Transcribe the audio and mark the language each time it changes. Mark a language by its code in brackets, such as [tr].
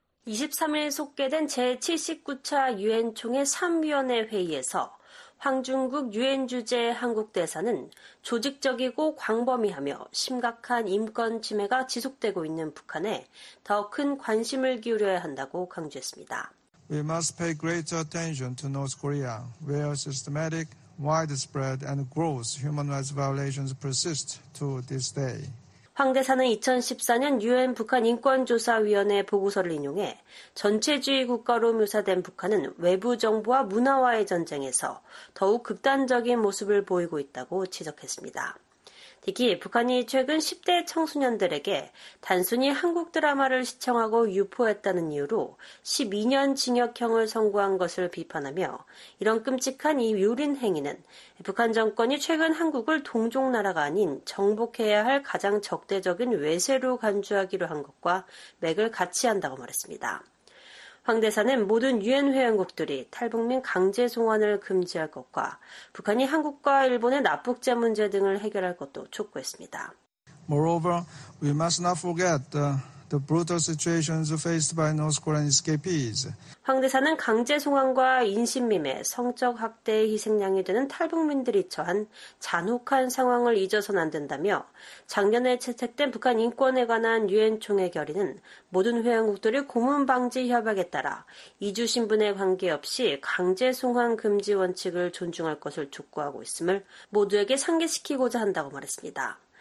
[ko] 23일 속개된 제79차 유엔 총회 3위원회 회의에서 황중국 유엔 주재 한국 대사는 조직적이고 광범위하며 심각한 인권 침해가 지속되고 있는 북한에 더 큰 관심을 기울여야 한다고 강조했습니다. [en] We must pay greater attention to North Korea, where systematic, widespread, and gross human rights violations persist to this day. [ko] 황 대사는 2014년 유엔 북한인권조사위원회 보고서를 인용해 전체주의 국가로 묘사된 북한은 외부 정부와 문화와의 전쟁에서 더욱 극단적인 모습을 보이고 있다고 지적했습니다. 특히 북한이 최근 10대 청소년들에게 단순히 한국 드라마를 시청하고 유포했다는 이유로 12년 징역형을 선고한 것을 비판하며 이런 끔찍한 이 유린 행위는 북한 정권이 최근 한국을 동족나라가 아닌 정복해야 할 가장 적대적인 외세로 간주하기로 한 것과 맥을 같이 한다고 말했습니다. 황 대사는 모든 유엔 회원국들이 탈북민 강제 송환을 금지할 것과 북한이 한국과 일본의 납북자 문제 등을 해결할 것도 촉구했습니다. [en] Moreover, we must not forget the brutal situations faced by North Korean escapees. [ko] 황 대사는 강제 송환과 인신미매, 성적 학대의 희생양이 되는 탈북민들이 처한 잔혹한 상황을 잊어서는 안 된다며 작년에 채택된 북한 인권에 관한 유엔 총회 결의는 모든 회원국들이 고문 방지 협약에 따라 이주 신분에 관계없이 강제 송환 금지 원칙을 존중할 것을 촉구하고 있음을 모두에게 상기시키고자 한다고 말했습니다.